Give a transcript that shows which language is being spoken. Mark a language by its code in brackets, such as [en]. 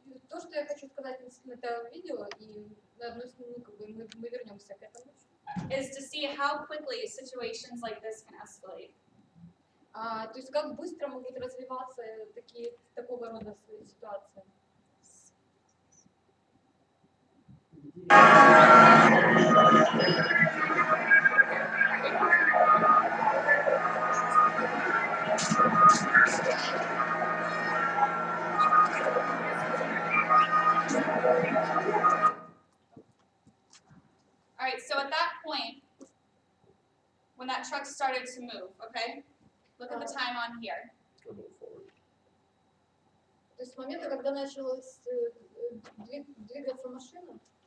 [ru] То, что я хочу сказать на этом видео, и на одну секунду, как бы мы вернемся к этому. [en] Is to see how quickly situations like this can escalate. [ru] То есть как быстро могут развиваться такого рода ситуации. [en] All right, so at that point, when that truck started to move, okay, look at the time on here. [ru] То есть с момента, когда началась двигаться машина?